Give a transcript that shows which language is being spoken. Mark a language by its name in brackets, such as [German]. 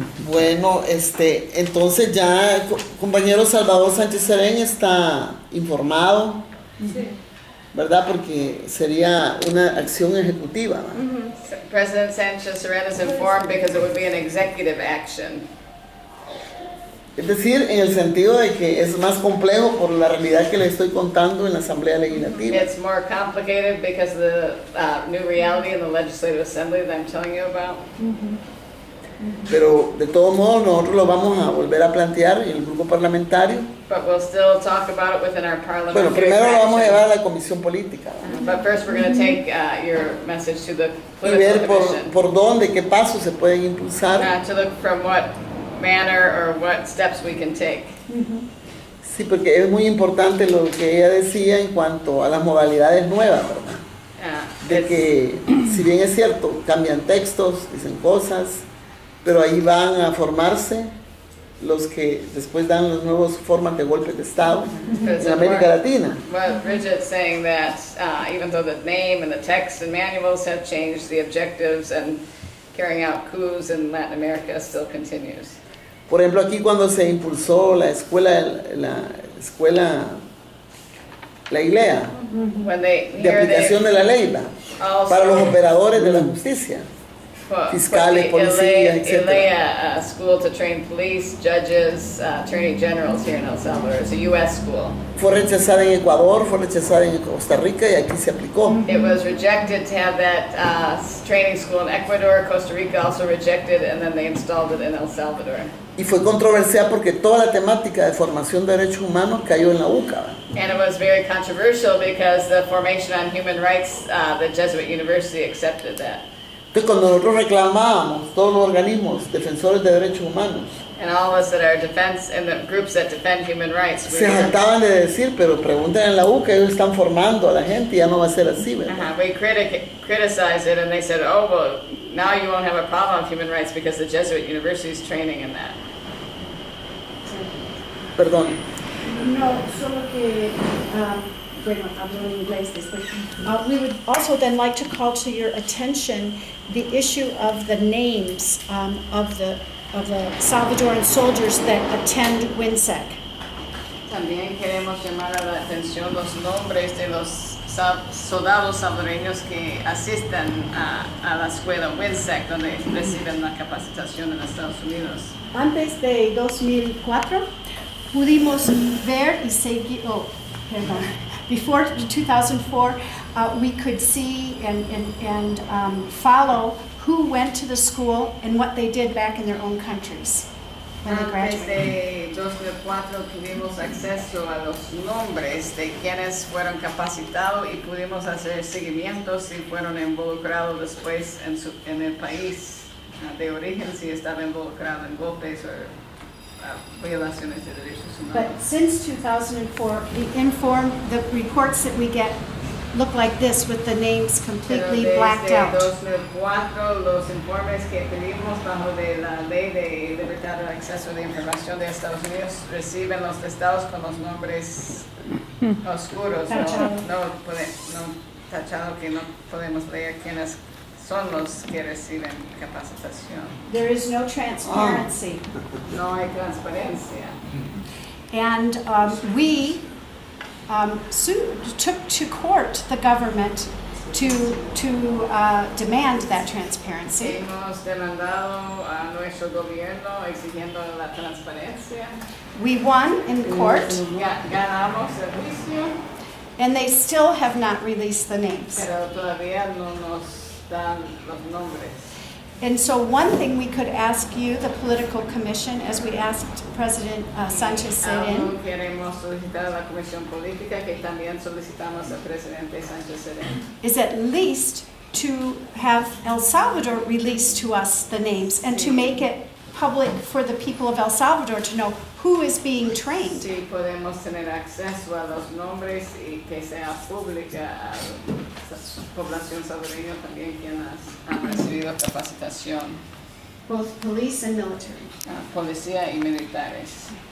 [Spanish] Bueno, entonces ya compañero Salvador Sánchez Serén está informado, ¿verdad? Porque sería una acción ejecutiva. Mm-hmm. [English] President Sánchez Serén is informed because it would be an executive action. [Spanish] Es decir, en el sentido de que es más complejo por la realidad que le estoy contando en la Asamblea Legislativa. [English] It's more complicated because of the new reality in the Legislative Assembly that I'm telling you about. Mm-hmm. [Spanish] Pero de todos modos nosotros lo vamos a volver a plantear en el grupo parlamentario. [English] But we'll still talk about it within our parliamentary. [Spanish] Bueno, primero lo vamos a llevar a la comisión política. [English] But first we're going to take your message to the political commission. [Spanish] Y ver por dónde, qué pasos se pueden impulsar. [English] To look from what manner or what steps we can take. [Spanish] Sí, porque es muy importante lo que ella decía en cuanto a las modalidades nuevas, ¿verdad? De que si bien es cierto, cambian textos, dicen cosas, pero ahí van a formarse los que después dan las nuevas formas de golpes de Estado en América Latina. [English] Well, Bridget's saying that even though the name and the text and manuals have changed, the objectives and carrying out coups in Latin America still continues. [Spanish] Por ejemplo, aquí cuando se impulsó la escuela, la ILEA, de aplicación de la ley, para los operadores de la justicia. Fiscales, policías, etc. [English] ILEA, a school to train police, judges, attorney generals here in El Salvador. It's a U.S. school. [Spanish] Fue rechazada en Ecuador, fue rechazada en Costa Rica y aquí se aplicó. [English] It was rejected to have that training school in Ecuador. Costa Rica also rejected and then they installed it in El Salvador. [Spanish] Y fue controversial porque toda la temática de formación de derechos humanos cayó en la UCA. [English] And it was very controversial because the formation on human rights, the Jesuit University accepted that. [Spanish] Entonces, cuando nosotros reclamábamos todos los organismos defensores de derechos humanos, [English] and all of us that are defense and the groups that defend human rights, [Spanish] se jactaban de decir, pero pregunten en la U que ellos están formando a la gente y ya no va a ser así, ¿verdad? [English] We criticized it and they said, oh, well, now you won't have a problem with human rights because the Jesuit University is training in that. [Spanish] Perdón. No, solo que. [English] We would also then like to call to your attention the issue of the names of the Salvadoran soldiers that attend WINSEC. [Spanish] También queremos llamar a la atención los nombres de los soldados salvadoreños que asisten a la escuela WINSEC donde reciben la capacitación en Estados Unidos. Antes de 2004 pudimos ver y seguir. Oh, perdón. [English] Before 2004, we could see and follow who went to the school and what they did back in their own countries when they graduated. [Spanish] Antes de 2004, tuvimos acceso a los nombres de quienes fueron capacitados y pudimos hacer seguimientos si fueron involucrados después en el país de origen, si estaban involucrados en golpes o violaciones de derechos humanos. [English] But since 2004, the reports that we get look like this with the names completely blacked out. [Spanish] Pero desde 2004, los informes que tenemos bajo de la ley de libertad de acceso de información de Estados Unidos reciben los estados con los nombres oscuros. No tachado que no podemos leer quiénes son los que reciben capacitación. [English] There is no transparency. [Spanish] No hay transparencia. [English] And we sued, took to court the government to demand that transparency. [Spanish] Hemos demandado a nuestro gobierno exigiendo la transparencia. [English] We won in court. [Spanish] Ganamos el juicio. [English] And they still have not released the names. [Spanish] Pero todavía no nos dan los nombres. [English] And so one thing we could ask you, the political commission, as we asked President Sanchez sit in. Is at least to have El Salvador release to us the names and to make it public for the people of El Salvador to know who is being trained. [Spanish] Sí, podemos tener acceso a los nombres y que sea pública a la población salvadoreña también quien ha recibido capacitación. [English] Both police and military. [Spanish] Policía y militares.